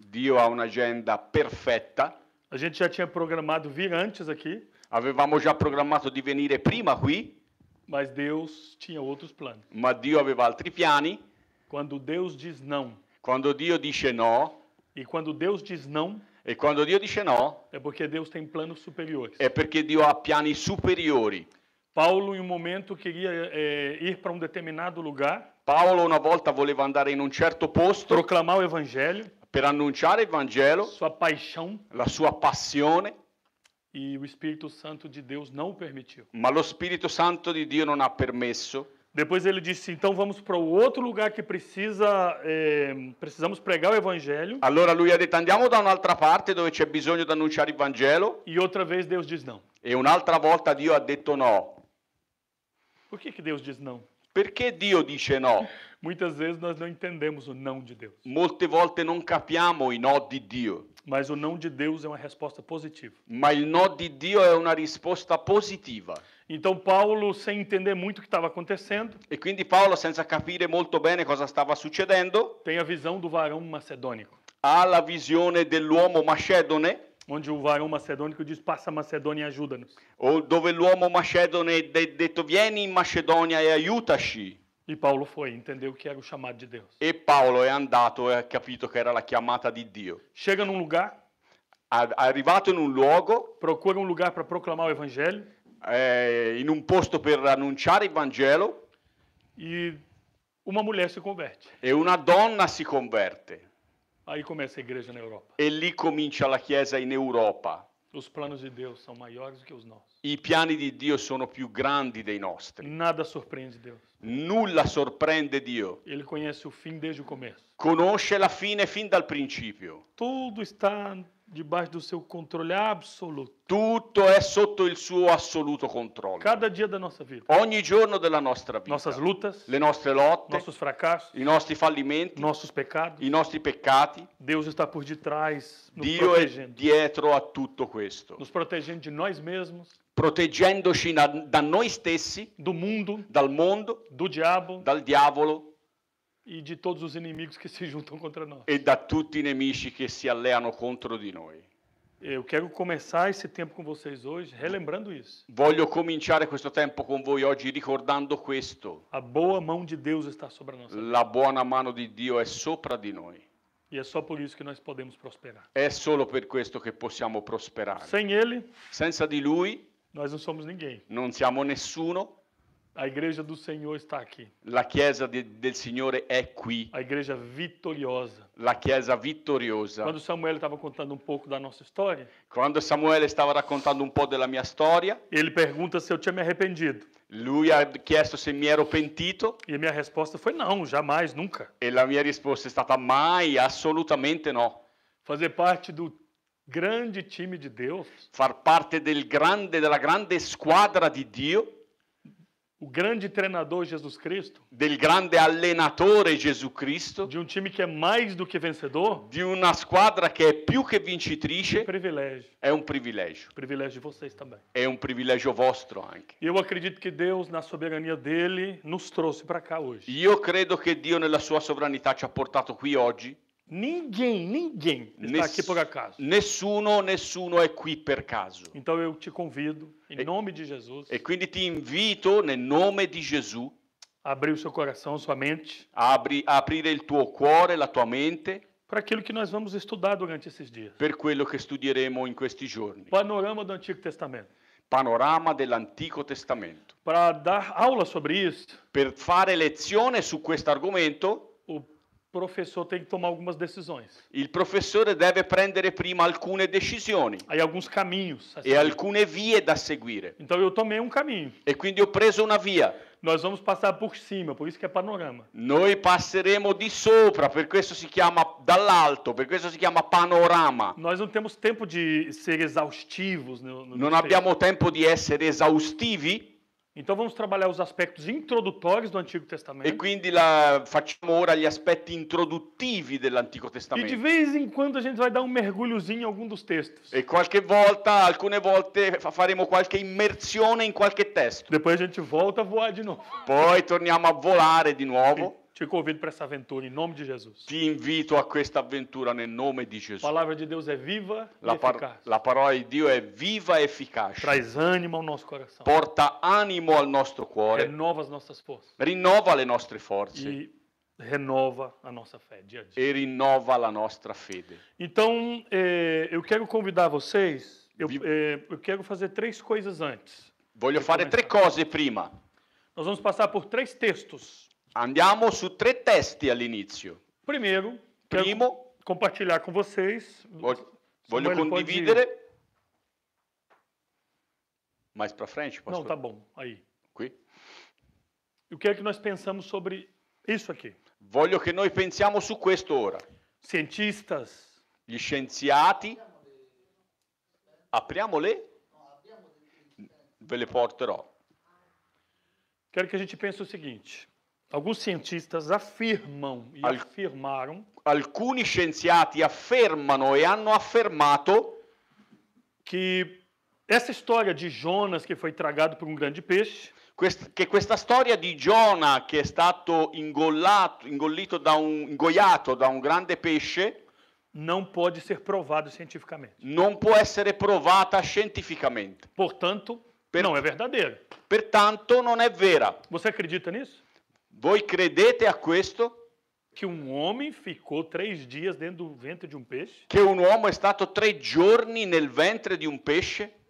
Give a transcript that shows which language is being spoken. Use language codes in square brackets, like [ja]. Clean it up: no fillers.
[it] Dio ha un'agenda perfetta. [pt] A gente já tinha programado vir antes aqui. [it] Avevamo già programmato di venire prima qui. [pt] Mas Deus tinha outros planos. [it] Ma Dio aveva altri piani. [pt] Quando Deus diz não. [it] Quando Dio dice no. [pt] E quando Deus diz não. [it] E quando Dio dice no. [pt] É porque Deus tem planos superiores. [it] È perché Dio ha piani superiori. [pt] Paulo em um momento queria ir para um determinado lugar. [it] Paulo [pt] uma [it] volta voleva andare in un certo posto. [pt] Proclamar o evangelho. [it] Per annunciare il Vangelo. [pt] Sua paixão. [it] La sua passione. [pt] E o Espírito Santo de Deus não permitiu. [it] Ma lo Spirito Santo di Dio non ha permesso. [pt] Depois ele disse, então vamos para o outro lugar que precisa precisamos pregar o evangelho. [it] Allora lui ha detto andiamo da un'altra parte dove c'è bisogno di annunciare il Vangelo. [pt] E outra vez Deus diz não. [it] E un'altra volta Dio ha detto no. [pt] Por que Deus diz não? [it] Perché Dio dice no? [pt] Muitas vezes nós não entendemos o não de Deus. [it] Molte volte non capiamo il no di Dio. [pt] Mas o não de Deus é uma resposta positiva. [it] Ma il no di Dio è una risposta positiva. [pt] Então Paulo, sem entender muito o que estava acontecendo. [it] E quindi Paulo, senza capire molto bene cosa stava succedendo. [pt] Tem a visão do varão macedônico. [it] Ha la visione dell'uomo macedone. [pt] Onde o varão macedônico diz, passa a Macedônia e ajuda-nos. [it] Ou dove l'uomo macedone ha detto, vieni in Macedonia e aiutaci. [pt] E Paulo foi, entendeu que era o chamado de Deus. [it] E Paulo é andato e ha capito que era la chiamata di Dio. [pt] Chega num lugar. [it] Arrivato in un luogo. [pt] Procura um lugar para proclamar o evangelho. [it] In un posto per annunciare il Vangelo. [pt] E uma mulher se converte. [it] E una donna si converte. [pt] Aí começa a igreja na Europa. [it] E lì comincia la chiesa in Europa. [pt] Os planos de Deus são maiores que os nossos. [it] I piani di Dio sono più grandi dei nostri. [pt] Nada surpreende Deus. [it] Nulla sorprende Dio. [pt] Ele conhece o fim desde o começo. [it] Conosce la fine fin dal principio. [pt] Tudo está debaixo do seu controle absoluto. [it] Tutto è sotto il suo assoluto controllo. [pt] Cada dia da nossa vida. [it] Ogni giorno della nostra vita. [pt] Nossas lutas. [it] Le nostre lotte. [pt] Nossos fracassos. [it] I nostri fallimenti. [pt] Nossos pecados. [it] I nostri peccati. [pt] Deus está por detrás, [it] Dio [pt] nos proteggendo. [it] È dietro a tutto questo. [pt] Nos proteggendo de nós mesmos. [it] Proteggendoci da noi stessi. [pt] Do mundo. [it] Dal mondo. [pt] Do diabo. [it] Dal diavolo. [pt] E de todos os inimigos que se juntam contra nós. [it] E da tutti i nemici che si alleano contro di noi. [pt] Eu quero começar esse tempo com vocês hoje relembrando isso. [it] Voglio cominciare questo tempo con voi oggi ricordando questo. [pt] A boa mão de Deus está sobre a nossa vida. [it] La buona mano di Dio è sopra di noi. [pt] E é só por isso que nós podemos prosperar. [it] È solo per questo che possiamo prosperare. [pt] Sem ele? [it] Senza di lui? [pt] Nós não somos ninguém. [it] Non siamo nessuno. [pt] A igreja do Senhor está aqui. [it] La chiesa del Signore è qui. [pt] A igreja vitoriosa. [it] La chiesa vittoriosa. [pt] Quando Samuel estava contando um pouco da nossa história. [it] Quando Samuel [pt] estava [it] raccontando [pt] um pouco [it] della mia storia. [pt] Ele pergunta se eu tinha me arrependido. [it] Lui ha chiesto se mi ero pentito. [pt] E a minha resposta foi não, jamais, nunca. [it] E la mia risposta è stata mai, assolutamente no. [pt] Fazer parte do grande time de Deus. [it] Far parte del grande, della grande squadra di Dio. [pt] O grande treinador Jesus Cristo. [it] Del grande allenatore Gesù Cristo. [pt] De um time que é mais do que vencedor. [it] Di una squadra che è più che vincitrice. [pt] Privilégio. [it] È un privilegio. [pt] Privilégio de vocês também. [it] È un privilegio vostro anche. [pt] Eu acredito que Deus na soberania dele nos trouxe para cá hoje. [it] Io credo che Dio nella sua sovranità ci ha portato qui oggi. [pt] Ninguém está aqui por acaso. [it] Nessuno é qui per caso. [pt] Então eu te convido em nome de Jesus. [it] E quindi ti invito nel nome di Gesù. [pt] Abrir o seu coração, sua mente. [it] Aprire il tuo cuore, la tua mente. [pt] Para aquilo que nós vamos estudar durante esses dias. [it] Per quello che studieremo in questi giorni. [pt] Panorama do Antigo Testamento. [it] Panorama dell'Antico Testamento. [pt] Para dar aula sobre isso. [it] Per fare lezione su questo argomento. [pt] O professor tem que tomar algumas decisões. [it] Il professore deve prendere prima alcune decisioni. [pt] Aí alguns caminhos. [it] E alcune vie da seguire. [pt] Então eu tomei um caminho. [it] E quindi ho preso una via. [pt] Nós vamos passar por cima, por isso que é panorama. [it] Noi passeremo di sopra, per questo si chiama dall'alto, per questo si chiama panorama. [pt] Nós não temos tempo de ser exaustivos. [it] Non abbiamo tempo di essere esaustivi. [pt] Então vamos trabalhar os aspectos introdutórios do Antigo Testamento. [it] E quindi la facciamo ora gli aspetti introduttivi dell'Antico Testamento. [pt] E de vez em quando a gente vai dar um mergulhozinho em algum dos textos. [it] E qualche volta, alcune volte faremo qualche immersione in qualche testo. [pt] Depois a gente volta a voar de novo. [it] Poi torniamo a volare di nuovo. [pt] Ti convido para essa aventura em nome de Jesus. [it] Ti invito a questa avventura nel nome di Gesù. [pt] A palavra de Deus é viva e eficaz. [it] La parola di Dio è viva e efficace. [pt] Traz ânimo ao nosso coração. [it] Porta [pt] ânimo ao nosso [it] cuore. [pt] Renova as nossas forças. [it] Rinnova le nostre forze. [pt] E renova a nossa fé dia a dia. [it] E rinnova la nostra fede. [pt] Então, eu quero convidar vocês, eu quero fazer três coisas antes. [it] Voglio fare tre cose prima. [pt] Nós vamos passar por três textos. [it] Andiamo su tre testi all'inizio. [pt] Primeiro, [it] primo, [pt] compartilhar com vocês. [it] Voglio condividere. [pt] Mais para frente, posso? Não, tá bom, aí. [it] Qui. [pt] O que é que nós pensamos sobre isso aqui? [it] Voglio che noi pensiamo su questo ora. [pt] Cientistas. [it] Gli scienziati. Apriamole? Ve le porterò. [pt] Quero que a gente pense o seguinte. Alguns cientistas afirmam e afirmaram. [it] Alcuni scienziati affermano e hanno affermato [pt] que essa história de Jonas que foi tragado por um grande peixe. [it] Que questa storia di Giona che è stato ingoiato da un grande pesce [pt] não pode ser provado cientificamente. [it] Non può essere provata scientificamente. [pt] Portanto, não é verdadeiro. [it] Pertanto, non è vera. [pt] Você acredita nisso? [it] Voi credete a questo? [pt] Que um homem ficou três dias dentro do ventre de um peixe? [it] Che un uomo è stato tre giorni nel ventre di un pesce?